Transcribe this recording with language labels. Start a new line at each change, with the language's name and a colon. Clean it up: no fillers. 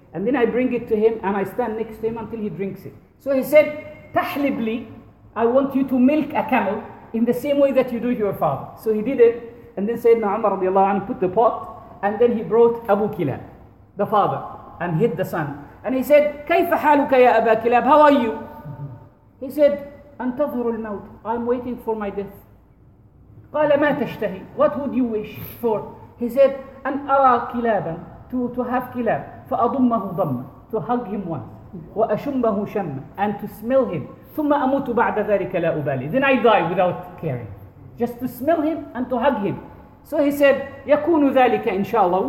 English: And then I bring it to him, and I stand next to him until he drinks it. So he said, Tahlibli, I want you to milk a camel in the same way that you do your father. So he did it, and then Sayyidina Umar radiallahu anhu put the pot, and then he brought Abu Kilab, the father, and hid the son. And he said,
Arabic: كيف حالك يا أبا كلاب?
English: How are you? He said,
Arabic: أنتظر الموت.
English: I'm waiting for my death.
Arabic: قال ما تشتهي?
English: What would you wish for? He said,
Arabic: أن أرى كلابا.
English: To have كلاب.
Arabic: فأضمه ضم.
English: To hug him once.
Arabic: وأشمه شم.
English: And to smell him.
Arabic: ثم أموت بعد ذلك لا أبالي.
English: Then I die without caring. Just to smell him and to hug him. So he said,
Arabic: يكون ذلك إن شاء الله.